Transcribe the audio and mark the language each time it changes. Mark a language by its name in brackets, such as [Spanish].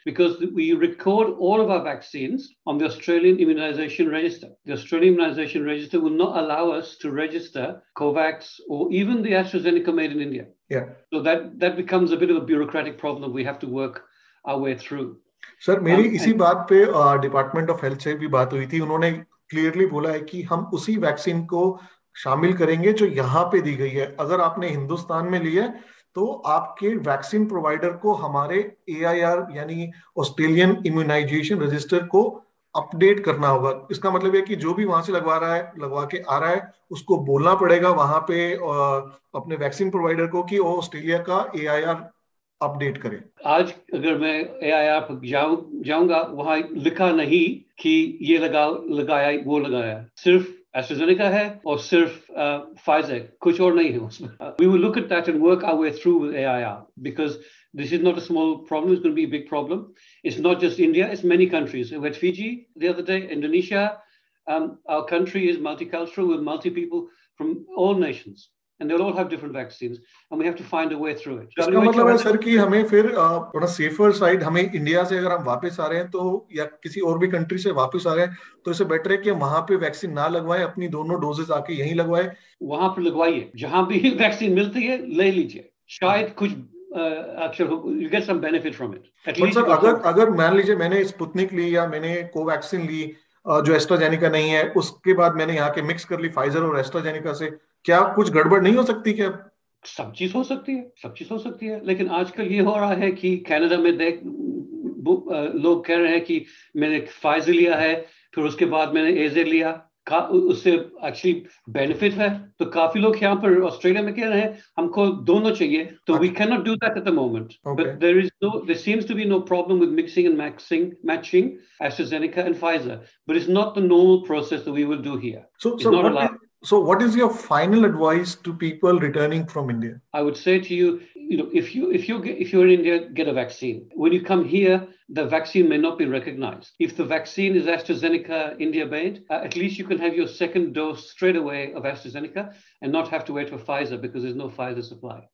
[English] Because we record all of our vaccines on the Australian Immunization Register. The Australian Immunization Register will not allow us to register COVAX or even the AstraZeneca made in India. Yeah. So that becomes a bit of a bureaucratic problem we have to work our way through. [Hindi] Sir मेरी इसी बात पे department of health से भी बात हुई थी. उन्होंने क्लियरली बोला है कि हम उसी वैक्सीन को शामिल करेंगे जो यहाँ पे दी गई है. अगर आपने हिंदुस्तान में ली है तो आपके वैक्सीन प्रोवाइडर को हमारे AIR यानी ऑस्ट्रेलियन इम्यूनाइजेशन रजिस्टर को अपडेट करना होगा. इसका मतलब है कि जो भी वहां से लगवा रहा है, लगवा के आ रहा है, उसको बोलना पड़ेगा वहां पे अपने वैक्सीन प्रोवाइडर को कि वो ऑस्ट्रेलिया का AIR अपडेट करें. आज अगर मैं AIR पर जाऊंगा वहां लिखा नहीं कि ये लगाया वो लगाया, सिर्फ AstraZeneca hai or sirf Pfizer, kuch aur nahi hai usme. [English] We will look at that and work our way through with AIR because this is not a small problem, it's going to be a big problem. It's not just India, it's many countries. We had Fiji the other day, Indonesia. Our country is multicultural with multi people from all nations. And they'll all have different vaccines, and we have to find a way through it. [Hindi] इसका मतलब है sir कि हमें फिर थोड़ा safer side, हमें India से अगर हम वापस आ रहे हैं तो या किसी और भी कंट्री से वापस आ रहे हैं तो इसे बेटर है कि हम वहाँ पे वैक्सीन ना लगवाएं, अपनी दोनों डोजेस आके यहीं लगवाएं. वहाँ पर लगवाइए, जहाँ भी वैक्सीन मिलती है ले लीजिए, शायद कुछ [English] you get some benefit from it. But sir, [Hindi] अगर मान लीजिए मैंने स्पुतनिक ली या मैंने कोवैक्सीन ली जो एस्ट्राजेनिका नहीं है, उसके बाद मैंने यहाँ के मिक्स कर ली फाइजर और एस्ट्राजेनिका से, क्या कुछ गड़बड़ नहीं हो सकती क्या? सब चीज हो सकती है. लेकिन आजकल ये हो रहा है कि कनाडा में देख लोग कह रहे हैं कि मैंने फाइजर लिया है, फिर उसके बाद मैंने एजे लिया, उससे एक्चुअली बेनिफिट है. तो काफी लोग यहाँ पर ऑस्ट्रेलिया में कह रहे हैं हमको दोनों चाहिए. [English] तो we can not do that at the moment, but there seems to be no problem with mixing and matching AstraZeneca and Pfizer, but it's not the normal process that we will do here. So what is your final advice to people returning from India? I would say to you, if you're in India, get a vaccine. When you come here, the vaccine may not be recognized. If the vaccine is AstraZeneca India made, at least you can have your second dose straight away of AstraZeneca and not have to wait for Pfizer because there's no Pfizer supply.